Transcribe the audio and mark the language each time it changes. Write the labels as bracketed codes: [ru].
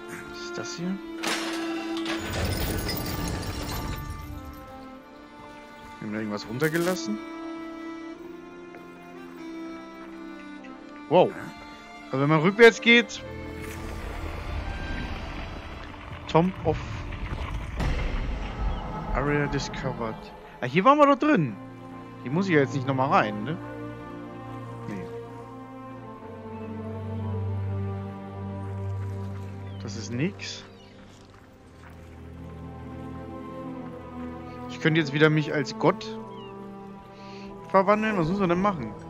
[de] Was ist das hier? Haben wir irgendwas runtergelassen? Wow. Also wenn man rückwärts geht. [en] Tomb of Area discovered. [de] Ah, hier waren wir doch drin. Hier muss ich ja jetzt nicht nochmal rein, ne? Nee. Das ist nix. Ich könnte jetzt wieder mich als Gott verwandeln. Was muss man denn machen?